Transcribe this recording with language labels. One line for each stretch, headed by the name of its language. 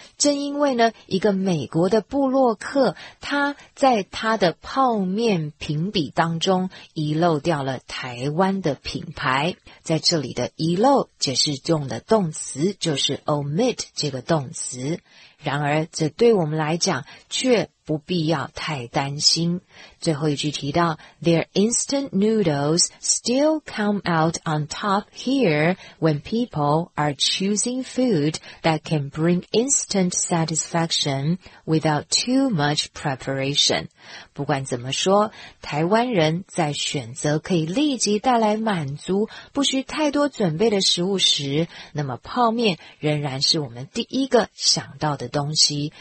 Chinese: 正因为呢，一个美国的部落客他在他的泡面评比当中遗漏掉了台湾的品牌，在这里的遗漏解释用的动词就是 omit 这个动词，然而这对我们来讲却不必要太担心。最后一句提到
English: Their instant noodles still come out on top here when people are choosing food that can bring instant satisfaction without too much preparation.
Chinese: 不管怎么说，台湾人在选择可以立即带来满足不需太多准备的食物时，那么泡面仍然是我们第一个想到的东西。